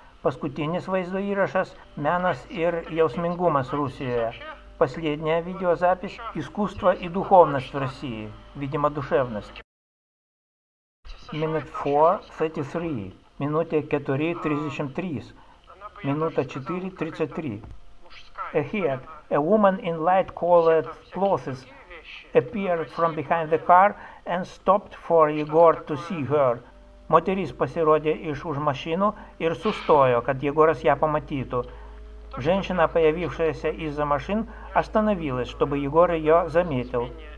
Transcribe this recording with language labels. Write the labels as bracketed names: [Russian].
[Lithuanian] Paskutinis vaizdo įrašas – menas ir jausmingumas Rusijoje. [Russian] Последняя видеозапись – искусство и духовность в России, видимо, душевность. [English] Minute 4.33. Minute 4.33. Minute 4.33. Ahead, a woman in light-colored clothes appeared from behind the car and stopped for Егор to see her. [Lithuanian] Moteris pasirodė iš už mašinų ir sustojo, kad Егоras ją pamatytų. [Russian] Женщина, появившаяся из-за машин, остановилась, чтобы Егор ее заметил.